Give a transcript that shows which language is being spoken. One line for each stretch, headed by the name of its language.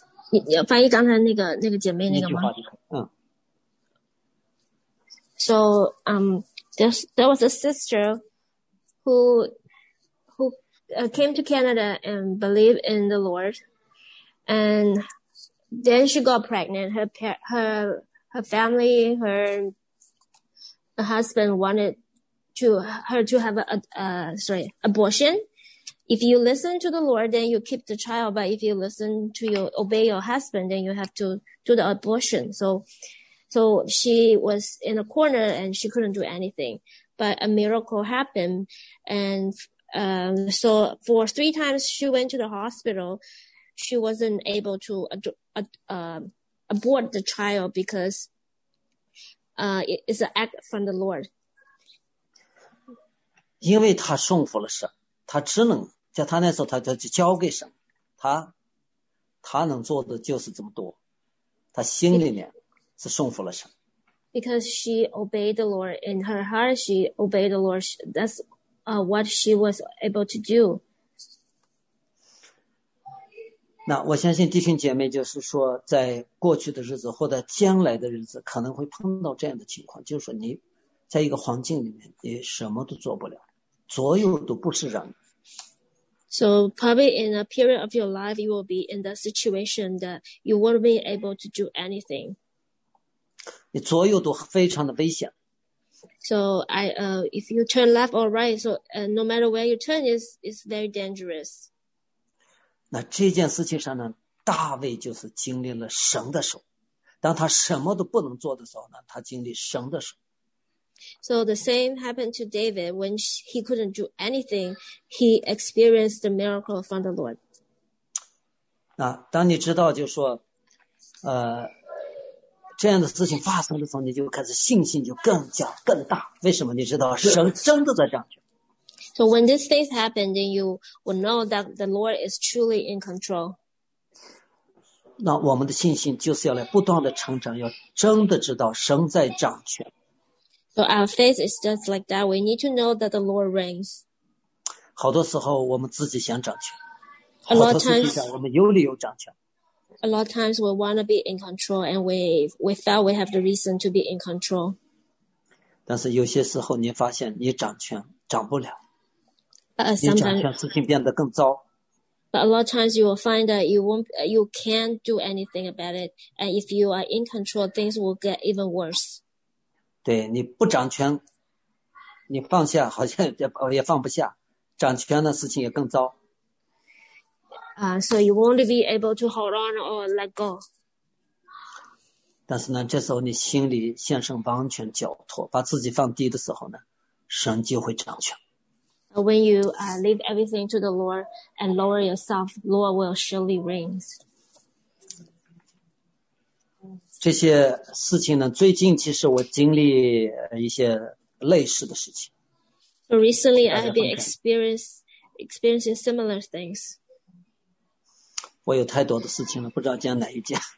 Chinese: 你翻译刚才那个姐妹那个吗？嗯。
English: So, there was a sister who came to Canada and believed in the Lord. And then she got pregnant. Her family, her husband wanted her to have an abortion. If you listen to the Lord, then you keep the child. But if you listen to your, obey your husband, then you have to do the abortion. So she was in a corner and she couldn't do anything. But a miracle happened. And, so for three times she went to the hospital, she wasn't able to abort the child because, it's an act from the Lord.
Chinese: 因为他顺服了神，他只能叫他那时候他就交给神，他能做的就是这么多，他心里面是顺服了神。
English: Because she obeyed the Lord in her heart, she obeyed the Lord. That's what she was able to do.
Chinese: 那我相信弟兄姐妹就是说，在过去的日子或者将来的日子，可能会碰到这样的情况，就是说你在一个环境里面，你什么都做不了。左右都不是人。
English: So probably in a period of your life, you will be in the situation that you won't be able to do anything.
Chinese: 你左右都非常的危险。
English: So if you turn left or right, so no matter where you turn, it's very dangerous.
Chinese: 那这件事情上呢，大卫就是经历了神的手。当他什么都不能做的时候呢，他经历神的手。
English: So the same happened to David when he couldn't do anything, he experienced the miracle from the Lord.
Chinese: 那当你知道就说，这样的事情发生的时候，你就开始信心就更加更大。为什么？你知道神真的在掌权。
English: So when these things happen, then you will know that the Lord is truly in control.
Chinese: 那我们的信心就是要来不断的成长，要真的知道神在掌权。
English: So our faith is just like that. We need to know that the Lord reigns.
Chinese: 好多时候我们自己想掌权。
English: A lot of times,
Chinese: 我们有理由掌权。
English: A lot of times we want to be in control and we thought we have the reason to be in control.
Chinese: 但是有些时候你发现你掌权掌不了。
English: Sometimes,
Chinese: 你掌权事情变得更糟。
English: But a lot of times you will find that you can't do anything about it. And if you are in control, things will get even worse.
Chinese: 对，你不掌权，你放下好像也放不下，掌权的事情也更糟。
English: So you won't be able to hold on or let go.
Chinese: 但是呢，这时候你心里向神完全交托，把自己放低的时候呢，神就会掌权。
English: When you leave everything to the Lord and lower yourself, Lord will surely reign.
Chinese: 这些事情呢，最近其实我经历一些类似的事情。
English: So recently, I've been experiencing similar things.
Chinese: 我有太多的事情了，不知道讲哪一件。